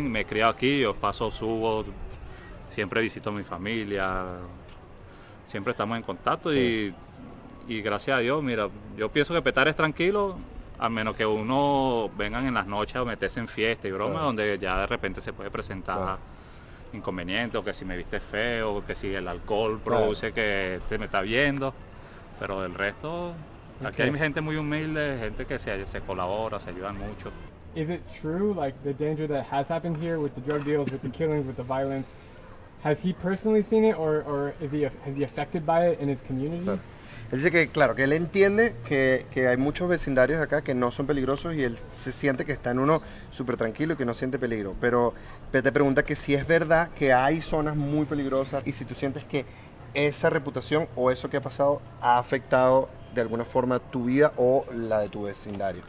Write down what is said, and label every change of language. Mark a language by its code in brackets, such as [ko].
[es] Me he criado aquí, yo paso, subo, siempre visito a mi familia, siempre estamos en contacto y gracias a Dios, mira, yo pienso que Petare es tranquilo, a menos que uno vengan en las noches o meterse en fiesta y broma, donde ya de repente se puede presentar inconvenientes, o que si me viste feo, o que si el alcohol produce que te me está viendo. Pero del resto, aquí hay gente muy humilde, gente que se colabora, se ayudan mucho. [en] Is it true, like the danger that has happened here with the drug deals, with the killings, with the violence, has he personally seen it or has he affected by it in his community? [es] Él dice que, claro, que él entiende que hay muchos vecindarios acá que no son peligrosos y él se siente que está en uno súper tranquilo y que no siente peligro. Pero te pregunta que si es verdad que hay zonas muy peligrosas y si tú sientes que esa reputación o eso que ha pasado ha afectado de alguna forma tu vida o la de tu vecindario.